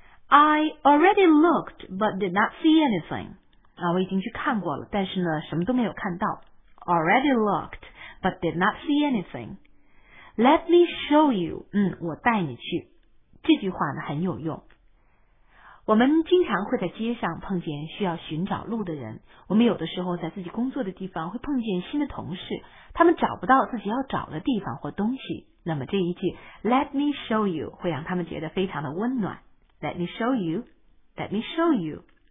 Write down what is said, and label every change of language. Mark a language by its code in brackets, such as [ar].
[en] I already looked, but did not see anything. [zh] 啊，我已经去看过了，但是呢，什么都没有看到。 [en] Already looked, but did not see anything. Let me show you, [zh] 我带你去。这句话呢很有用。我们经常会在街上碰见需要寻找路的人，我们有的时候在自己工作的地方会碰见新的同事，他们找不到自己要找的地方或东西，那么这一句 [en] Let me show you [zh] 会让他们觉得非常的温暖。 [en] Let me show you, let me show you.